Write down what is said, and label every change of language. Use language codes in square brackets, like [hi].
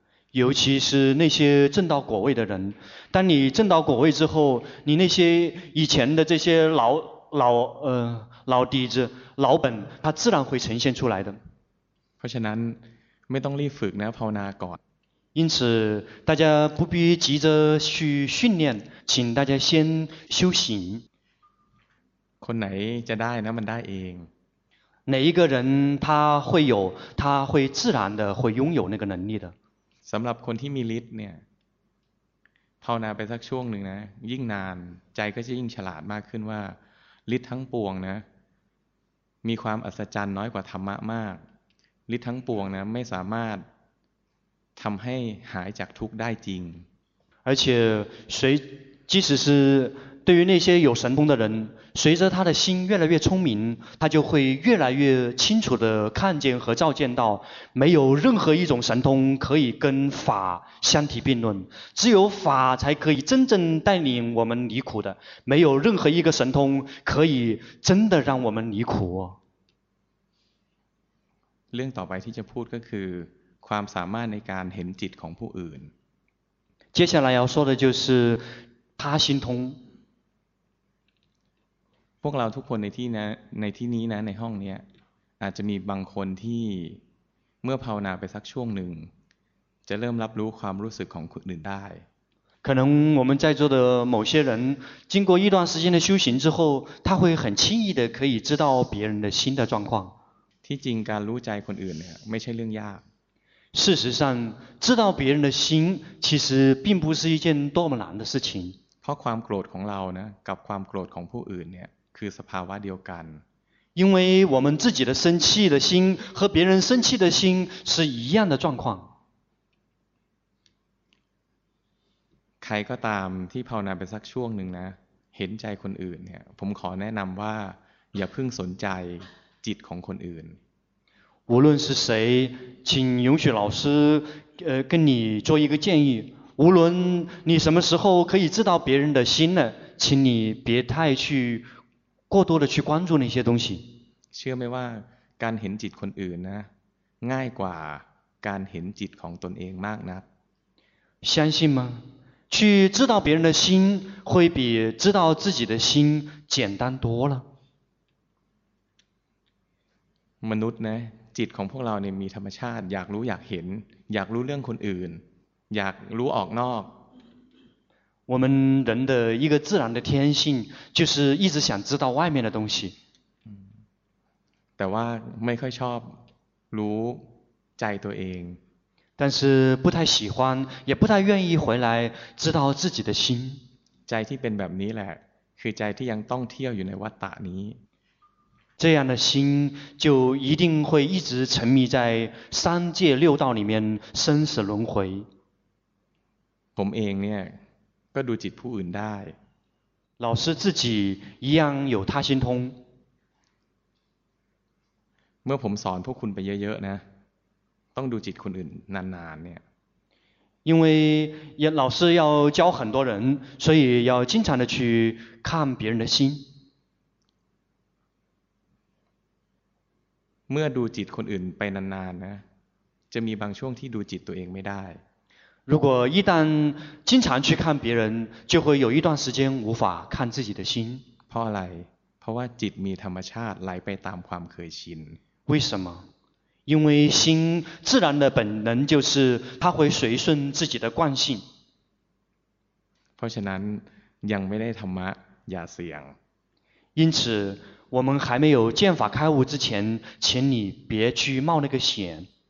[zh] 尤其是那些证到果位的人当你证到果位之后你那些以前的这些老底子老本它自然会呈现出来的 [th] เพราะฉะนั้นไม่ต้องรีบฝึกนะภาวนาก่อน [zh] 因此大家不必急着去训练请大家先修行 [th] คนไหนจะได้นะมันได้เอง [zh] 哪一个人他会有他会自然的会拥有那个能力的 [th] สำหรับคนที่มีฤทธิ์เนี่ยภาวนาไปสักช่วงหนึ่งนะยิ่งนานใจก็จะยิ่งฉลาดมากขึ้นว่าฤทธิ์ทั้งปวงนะมีความอัศจรรย์น้อยกว่าธรรมะมากฤทธิ์ทั้งปวงนะไม่สามารถทำให้หายจากทุกข์ได้จริง [zh] 而且谁即使是对于那些有神通的人随着他的心越来越聪明他就会越来越清楚的看见和照见到没有任何一种神通可以跟法相提并论只有法才可以真正带领我们离苦的没有任何一个神通可以真的让我们离苦 [th] เรื่องต่อไปที่จะพูดก็คือความสามารถในการเห็นจิตของผู้อื่น [zh] 接下来要说的就是他心通 [th] พวกเราทุกคนในที่นะในที่นี้นะในห้องนี้อาจจะมีบางคนที่เมื่อภาวนาไปสักช่วงหนึ่ง จะเริ่มรับรู้ความรู้สึกของคนอื่นได้ [zh] 可能我们在座的某些人经过一段时间的修行之后他会很轻易的可以知道别人的心的状况 [th] ที่จริงการรู้ใจคนอื่นเนี่ยไม่ใช่เรื่องยาก [zh] 事实上知道别人的心其实并不是一件多么难的事情 [th] เพราะความโกรธของเรานะกับความโกรธของผู้อื่นเนี่ยคือสภาวะเดียวกัน [zh] 因为我们自己的生气的心和别人生气的心是一样的状况 [th] ใครก็ตามที่ภาวนาไปสักช่วงหนึ่งนะเห็นใจคนอื่นเนี่ยผมขอแนะนำว่าอย่าเพิ่งสนใจจิตของคนอื่น [zh] 无论是谁请允许老师跟你做一个建议无论你什么时候可以知道别人的心呢请你别太去过多的去关注那些东西 [th] เชื่อไหมว่าการเห็นจิตคนอื่นนะง่ายกว่าการเห็นจิตของตนเองมากนัก [zh] 相信吗去知道别人的心会比知道自己的心简单多了 [th] มนุษย์นะจิตของพวกเราเนี่ยมีธรรมชาติอยากรู้อยากเห็นอยากรู้เรื่องคนอื่นอยากรู้ออกนอก [zh] 我们人的一个自然的天性就是一直想知道外面的东西 [th] แต่ว่าไม่ค่อยชอบรู้ใจตัวเอง แต่ [zh] 是不太喜欢也不太愿意回来知道自己的心 [th] ใจที่เป็นแบบนี้แหละคือใจที่ยังต้องเที่ยวอยู่ในวัฏฏะนี้ [zh] 这样的心就一定会一直沉迷在三界六道里面生死轮回 [th] ผมเองเนี่ยก็ดูจิตผู้อื่นได้ [zh] 老师自己一样有他心通 [th] เมื่อผมสอนพวกคุณไปเยอะๆนะต้องดูจิตคนอื่นนานๆเนี่ย [zh] 因为老师要教很多人所以要经常的去看别人的心 [th] เมื่อดูจิตคนอื่นไปนานๆนะจะมีบางช่วงที่ดูจิตตัวเองไม่ได้ [zh] 如果一旦经常去看别人就会有一段时间无法看自己的心 [th] เพราะอะไรเพราะว่าจิตมีธรรมชาติไหลไปตามความเคยชิน [zh] 为什么因为心自然的本能就是它会随顺自己的惯性 [th] เพราะฉะนั้นยังไม่ได้ธรรมะอย่าเสี่ยง [zh] 因此我们还没有见法开悟之前请你别去冒那个险